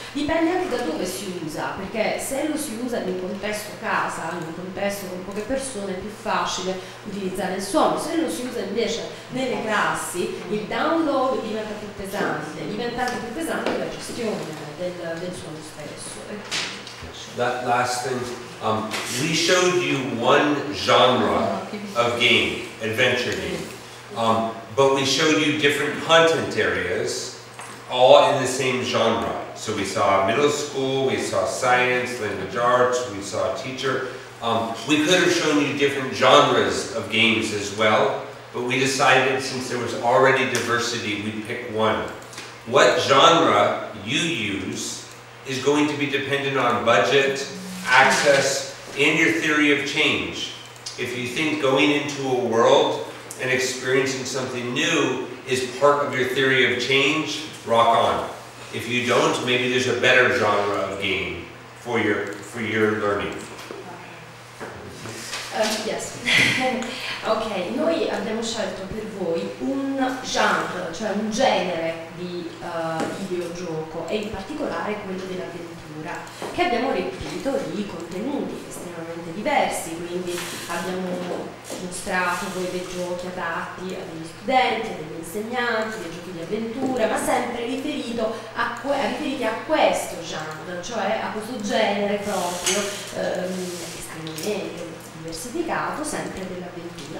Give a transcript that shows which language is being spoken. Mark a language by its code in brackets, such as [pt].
[it] Dipende anche da dove si usa, perché se lo si usa in un contesto casa, in un contesto con poche persone, è più facile utilizzare il suono. Se lo si usa invece nelle classi, il download diventa più pesante, diventa anche più pesante la gestione del suono stesso. [en] That last thing, we showed you one genre of game, adventure game, but we showed you different content areas, all in the same genre. So we saw middle school, we saw science, language arts, we saw teacher. We could have shown you different genres of games as well, but we decided since there was already diversity, we'd pick one. What genre you use is going to be dependent on budget, access, and your theory of change. If you think going into a world and experiencing something new is part of your theory of change, rock on. If you don't, maybe there's a better genre of game for your learning. Yes. [it] Ok, noi abbiamo scelto per voi un genre, cioè un genere di videogioco, e in particolare quello dell'avventura, che abbiamo riempito di contenuti estremamente diversi, quindi abbiamo mostrato voi dei giochi adatti a degli studenti, a degli insegnanti, dei giochi di avventura, ma sempre riferiti a questo genre, cioè a questo genere proprio estremamente diversificato, sempre dell'avventura.